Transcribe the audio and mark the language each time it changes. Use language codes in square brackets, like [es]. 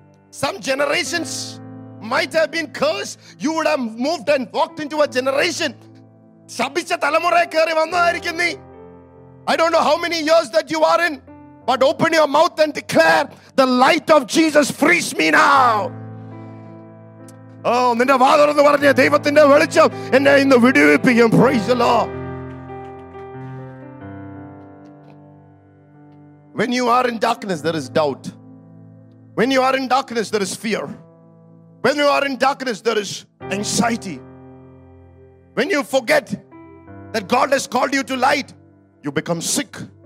[en] Some generations might have been cursed. You would have moved and walked into a generation. I don't know how many years that you are in. But open your mouth and declare, the light of Jesus frees me now. [ml] Oh, നിന്റെ വാതിൽ എന്ന് പറഞ്ഞു ദൈവത്തിന്റെ വെളിച്ചം എന്നെ ഇന്ന് വിടുവിപ്പിക്കും. [en] Praise the Lord. When you are in darkness, there is doubt. When you are in darkness, there is fear. When you are in darkness, there is anxiety. When you forget that God has called you to light, you become sick.